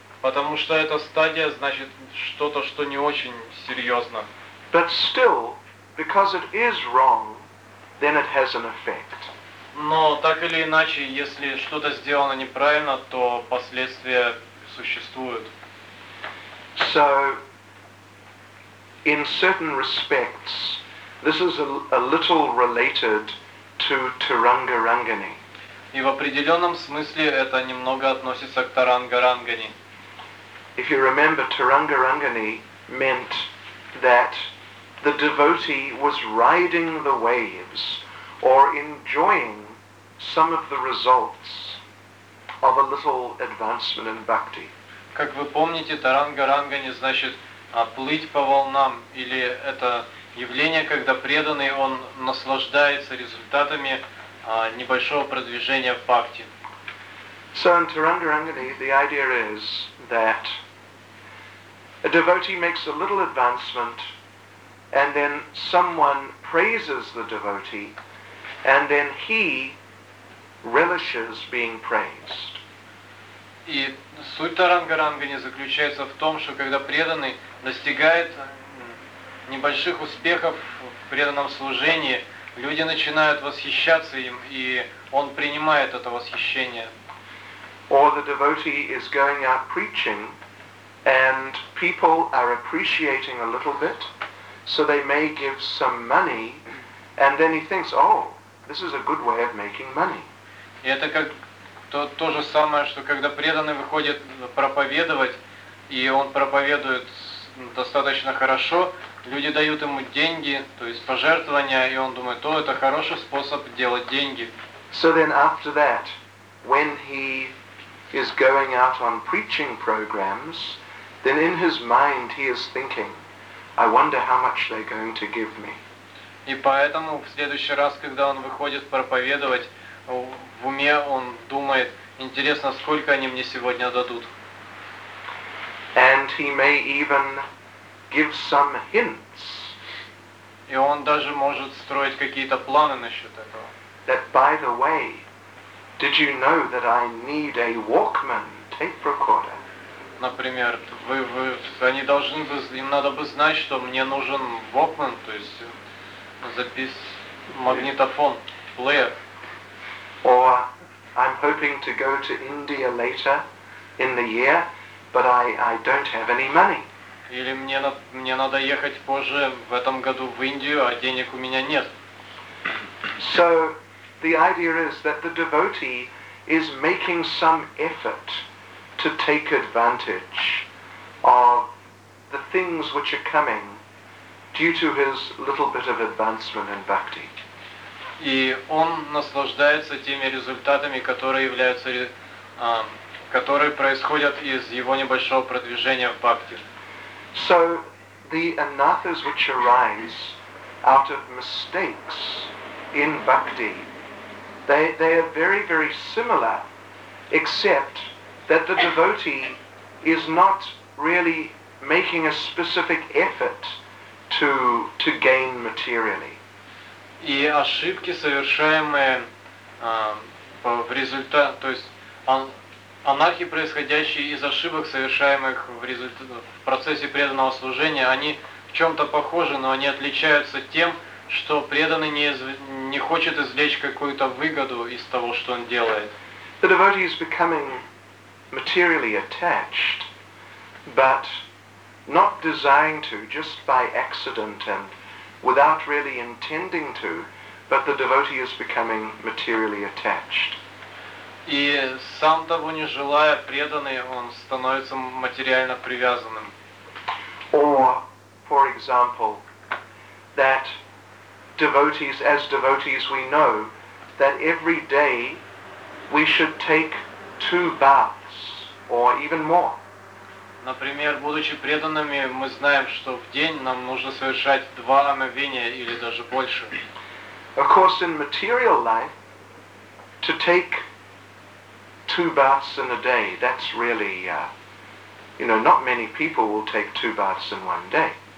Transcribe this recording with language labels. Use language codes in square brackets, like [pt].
[ru] Потому что эта стадия значит что-то, что не очень серьезно. [en] But still, because it is wrong, then it has an effect. [ru] Но так или иначе, если что-то сделано неправильно, то последствия существуют. [en] So, in certain respects, this is a little related to Taranga Rangani. [ru] И в определенном смысле это немного относится к Таранга Рангани. [en] If you remember, Taranga Rangani meant that the devotee was riding the waves or enjoying some of the results of a little advancement in bhakti. [ru] Как вы помните, Таранга Рангани значит плыть по волнам, или это явление, когда преданный, он наслаждается результатами небольшого продвижения в бхакти. [en] So in Taranga Rangani, the idea is that a devotee makes a little advancement, and then someone praises the devotee, and then he relishes being praised. [ru] И суть Таранга Рангани заключается в том, что когда преданный достигает небольших успехов в преданном служении, люди начинают восхищаться им, и он принимает это восхищение. [en] Or the devotee is going out preaching, and people are appreciating a little bit, so they may give some money, and then he thinks, oh, this is a good way of making money. [ru] И это как то же самое, что когда преданный выходит проповедовать, и он проповедует достаточно хорошо, люди дают ему деньги, то есть пожертвования, и он думает, это хороший способ делать деньги. [en] So then after that, when he is going out on preaching programs, then in his mind he is thinking, I wonder how much they're going to give me. [ru] И поэтому в следующий раз, когда он выходит проповедовать, в уме он думает, интересно, сколько они мне сегодня дадут. [en] And he may even give some hints. [ru] И он даже может строить какие-то планы насчет этого. [en] That, by the way, did you know that I need a Walkman tape recorder? [ru] например, они должны бы, им надо бы знать, что мне нужен Walkman, то есть магнитофон, плеер. [en] Or I'm hoping to go to India later in the year, but I don't have any money. [ru] Или мне надо ехать позже в этом году в Индию, а денег у меня нет. [en] So the idea is that the devotee is making some effort to take advantage of the things which are coming due to his little bit of advancement in bhakti. [ru] И он наслаждается теми результатами, которые являются, которые происходят из его небольшого продвижения в бхакти. [en] So the anathas which arise out of mistakes in bhakti, they are very, very similar, except that the devotee is not really making a specific effort to gain materially. [ru] И ошибки, совершаемые в результате, то есть анархи, происходящие из ошибок, совершаемых в процессе преданного служения, они в чем-то похожи, но они отличаются тем, что преданный не хочет извлечь какую-то выгоду из того, что он делает. [en] The devotee is becoming materially attached, but not designed to, just by accident and without really intending to, but the devotee is becoming materially attached. [ru] И сам того не желая, преданный, он становится материально привязанным. [en] Or, for example, that devotees, as devotees, we know that every day we should take 2 baths or even more. [ru] Например, будучи преданными, мы знаем, что в день нам нужно совершать 2 омовения или даже больше. [en] Of course, in material life, to take 2 baths in a day, that's really, you know, not many people will take 2 baths in one day.